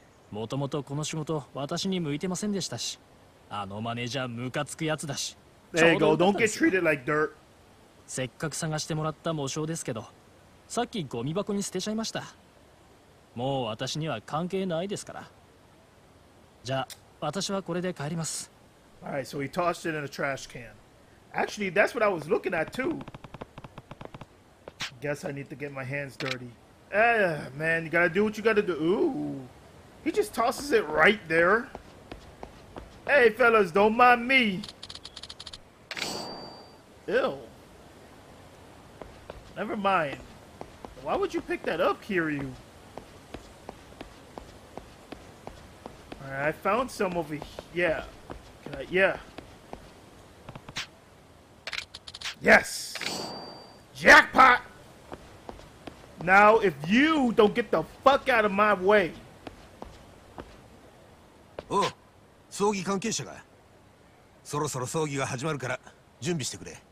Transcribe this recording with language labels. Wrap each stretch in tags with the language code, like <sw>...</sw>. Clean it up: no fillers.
<ja>もともとこの仕事私に向いてませんでしたし、あのマネージャームカつくやつだし。</ja> <en>There you go. Don't get treated like dirt.</en> <ja>せっかく探してもらった模証ですけど、さっきゴミ箱に捨てちゃいました。もう私には関係ないですから。じゃあ私はこれで帰ります。</ja> <en>Alright, so he tossed it in a trash can. Actually, that's what I was looking at too. Guess I need to get my hands dirty. Man, you gotta do what you gotta do. He just tosses it right there. Hey, fellas, don't mind me. Ew. Never mind. Why would you pick that up, Kiryu? Alright, I found some over here. Yeah. Can I? Yeah. Yes! Jackpot! Now, if you don't get the fuck out of my way.</en> <ja>おう、葬儀関係者が。そろそろ葬儀が始まるから準備してくれ。</ja>